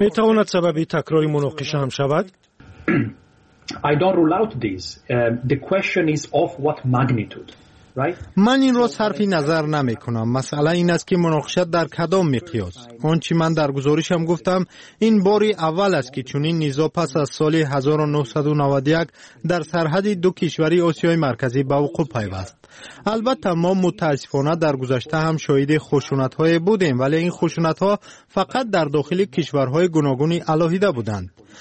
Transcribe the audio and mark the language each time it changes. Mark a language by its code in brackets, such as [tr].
[fa] می تواند سببی تکرار مناقشه هم شود؟ [en] I don't rule out this. The question is of what magnitude. [fa] من این را صرفی نظر نمی کنم. مسئله این است که مناقشه در کدام مقیاس. آنچه من در گزارشم گفتم این باری اول است که چنین نزاع پس از سال 1991 در سرحد دو کشوری آسیای مرکزی به وقوع پیوست. البته ما متاسفانه در گذشته هم شاهد خشونت‌های بودیم، ولی این خشونت‌ها فقط در داخل کشورهای گوناگونی علاهیده بودند.